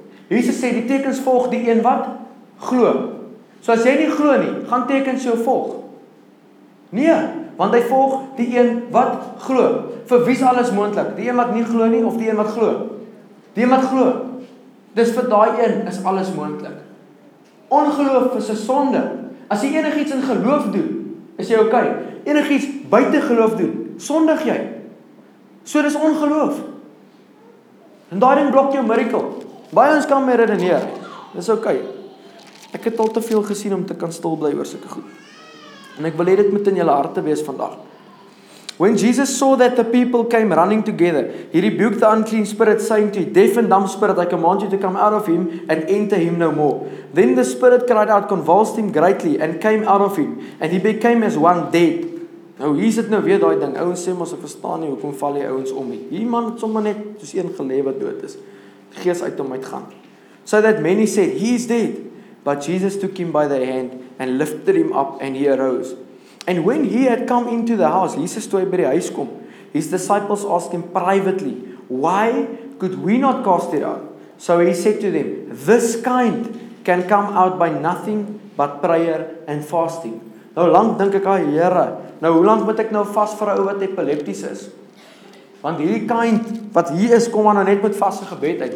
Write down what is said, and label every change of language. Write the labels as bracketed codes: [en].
[af] Jesus sê die tekens volg die een wat glo. So as jy nie glo nie, gaan tekens jou volg. Nee, want hy volg die een wat glo. Vir wie is alles moontlik? Die een wat nie glo nie of die een wat glo? Die een wat glo. Dis vir daai een is alles moontlik. Ongeloof is 'n sonde. As jy enigiets in geloof doen, is jy okay. Enigiets buite geloof doen, sondig jy. So dis ongeloof. En daai ding blok jou miracle. Baie ons kan mee redeneer. Dis okay. Ek het al te veel gesien om te kan stil bly oor sulke goed. En ek wil hê dit moet in julle harte wees vandag. [en] When Jesus saw that the people came running together, he rebuked the unclean spirit, saying to deaf and dumb spirit, I command you to come out of him and enter him no more. Then the spirit cried out, convulsed him greatly, and came out of him, and he became as one dead. [af] Nou, hier sit nou weer daai ding. Ouens sê mos, ek verstaan nie hoekom val die ouens om nie. Hier man het sommer net soos een gelê wat dood is. Die gees uit hom uitgaan. [en] So that many said, he is dead. But Jesus took him by the hand and lifted him up and he arose. And when he had come into the house, [af] Jesus toe hy by die huis kom, [en] his disciples asked him privately, why could we not cast it out? So he said to them, this kind can come out by nothing but prayer and fasting. [af] Nou lank dink ek, ah Here, nou hoe lank moet ek nou vas vir 'n ou wat epilepties is? Want hierdie kind wat hier is, kom aan nou net met vaste gebed uit.